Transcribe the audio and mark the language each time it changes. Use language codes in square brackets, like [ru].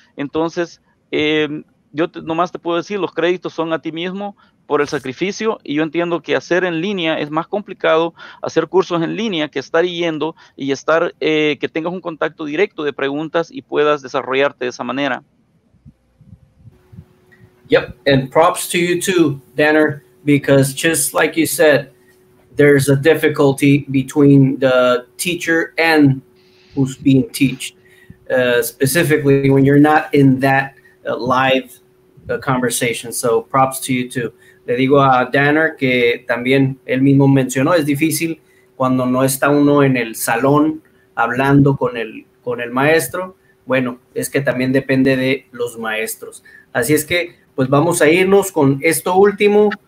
[es] Entonces, nomás te puedo decir, los créditos son a ti mismo por el sacrificio, y yo entiendo que hacer en línea es más complicado, hacer cursos en línea, que estar yendo y estar, que tengas un contacto directo de preguntas y puedas desarrollarte de esa manera. [en] Yep, and props to you too, Danner, because just like you said, there's a difficulty between the teacher and who's being taught, specifically when you're not in that live conversation. So props to you too. [es] Le digo a Danner que también él mismo mencionó, es difícil cuando no está uno en el salón hablando con el maestro. Bueno, es que también depende de los maestros. Así es que pues vamos a irnos con esto último.